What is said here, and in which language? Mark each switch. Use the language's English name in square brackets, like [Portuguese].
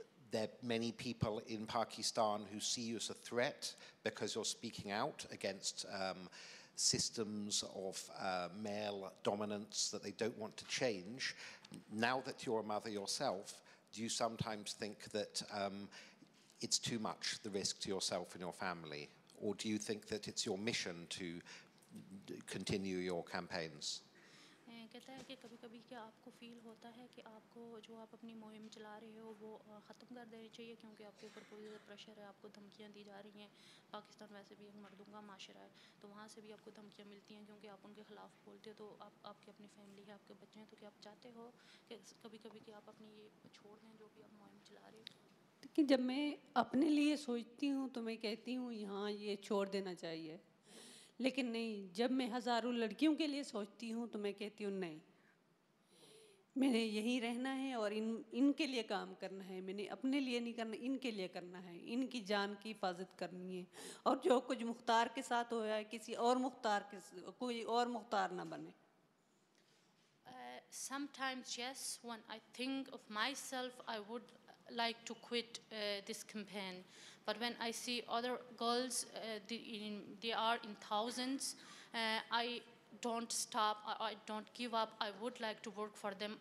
[English] There are many people in Pakistan who see you as a threat because you're speaking out against systems of male dominance that they don't want to change. Now that you're a mother yourself, do you sometimes think that it's too much, the risk to yourself and your family? Or do you think that it's your mission to continue your campaigns? [Urdu] کہتا ہے کہ کبھی کبھی کیا آپ کو فیل ہوتا ہے کہ آپ کو جو آپ اپنی مہم چلا رہے ہو وہ ختم کر دینی چاہیے کیونکہ آپ کے اوپر بہت زیادہ پریشر ہے, آپ کو دھمکیاں دی جا رہی ہیں. پاکستان ویسے بھی ایک مردوں کا معاشرہ ہے تو وہاں سے بھی آپ کو دھمکیاں ملتی ہیں کیونکہ آپ ان کے خلاف بولتے ہو تو آپ کی اپنی فیملی ہے, آپ کے بچے ہیں, تو کیا آپ چاہتے ہو کہ کبھی کبھی کہ آپ اپنی یہ چھوڑ دیں جو بھی آپ مہم چلا رہے ہو؟ دیکھیں, جب میں اپنے لیے سوچتی ہوں تو میں کہتی ہوں یہاں یہ چھوڑ دینا چاہیے, لیکن نہیں, جب میں ہزاروں لڑکیوں کے لیے سوچتی ہوں تو میں کہتی ہوں نہیں, میں نے یہی رہنا ہے اور ان کے لیے کام کرنا ہے, میں نے اپنے لیے نہیں کرنا, ان کے لیے کرنا ہے, ان کی جان کی حفاظت کرنی ہے. اور جو کچھ مختار کے ساتھ ہویا ہے کسی اور مختار کے کوئی اور مختار نہ بنے. [English] Sometimes yes, when I think of myself I would like to quit this campaign, but when I see other girls they are in thousands, I don't stop, I don't give up, I would like to work for them.